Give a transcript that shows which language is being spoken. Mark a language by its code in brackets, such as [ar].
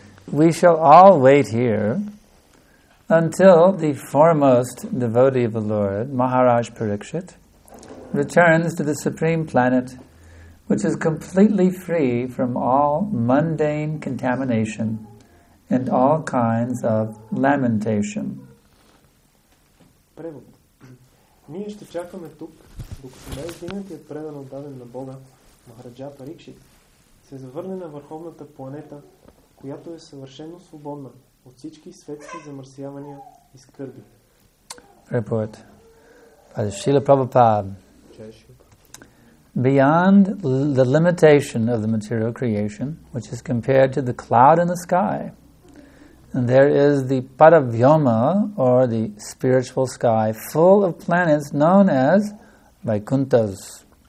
[en] We shall all wait here until the foremost devotee of the Lord, Maharaj Parikshit, returns to the supreme planet, which is completely free from all mundane contamination and all kinds of lamentation. [bg] Превод. Ние ще чакаме тук, докато най-единият предан отдаден на Бога, Махараджа Парикшит, се завърне на върховната планета, която е съвършено свободна от всички светски замърсявания и скърби. Препоет. Шрила Прабхупада. [en] Beyond the limitation of the material creation, which is compared to the cloud in the sky, and there is the Paravyoma, or the spiritual sky, full of planets known as Vaikuntas.